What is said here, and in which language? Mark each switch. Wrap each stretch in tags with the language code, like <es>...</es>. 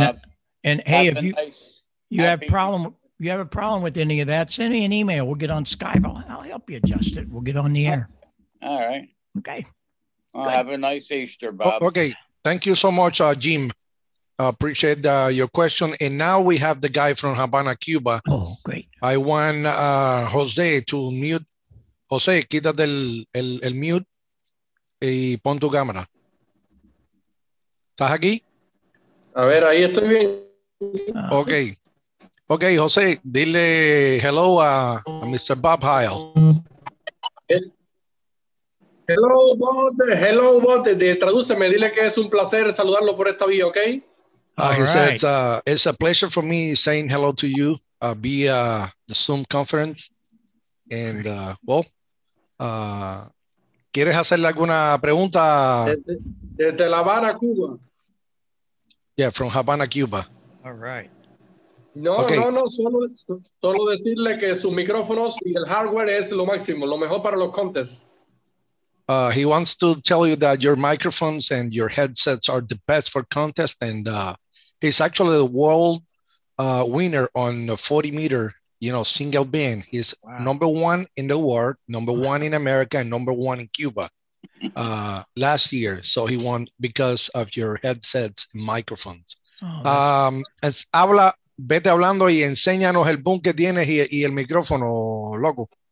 <en>Now, and hey, if you nice, you happy- have problem, you have a problem with any of that, send me an email. We'll get on Skype. I'll help you adjust it. We'll get on the air. All right. Okay. Well, have a nice Easter, Bob. Oh, okay. Thank you so much, Jim. Appreciate your question. And now we have the guy from Havana, Cuba. Oh, great. I want Jose to mute.</en> <es>Jose, quita el mute y pon tu cámara. ¿Estás aquí? A ver, ahí estoy bien. Okay. Okay, Jose, dile</es> <en>hello</en> <es>a Mr. Bob Heil.</es> <en>Hello, Bote.</en> <es>Tradúceme, dile que es un placer saludarlo por esta vía, okay?</es> <en>He said, it's a pleasure for me saying hello to you via the Zoom conference.</en> <es>And, ¿quieres hacerle alguna pregunta? Desde La Habana, Cuba.</es> <en>Yeah, from Havana, Cuba. All right.</en> <es>Solo decirle que sus micrófonos y el hardware es lo máximo, lo mejor para los contests.</es> <en>He wants to tell you that your microphones and your headsets are the best for contests, and he's actually the world winner on 40 meter, single beam. He's number one in the world, number one in America, and number one in Cuba last year. So he won because of your headsets and microphones.</en> <es>Habla, vete hablando y enséñanos el boom que tienes y el micrófono, loco.</es>